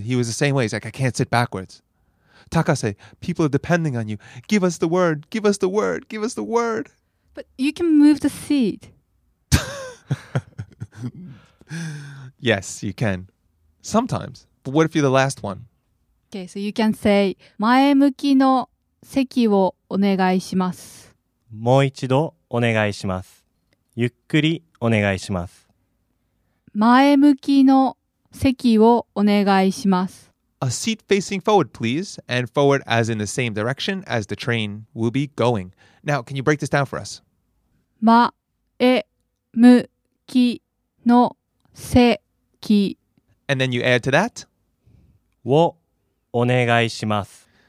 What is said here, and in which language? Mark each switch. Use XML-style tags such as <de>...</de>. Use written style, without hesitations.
<en>He was the same way. He's like, I can't sit backwards. Takase, people are depending on you. Give us the word. Give us the word. Give us the word. But you can move the seat. Yes, you can. Sometimes. But what if you're the last one? Okay, so you can say,</en> <ja>前向きの席をお願いします。もう一度お願いします。ゆっくりお願いします。前向きの席をお願いします。</ja> <en>A a seat facing forward, please, and forward as in the same direction as the train will be going. Now, can you break this down for us?</en> <ja>前向きの席.</ja> <en>And then you add to that?</en> <ja>をお願いします.</ja>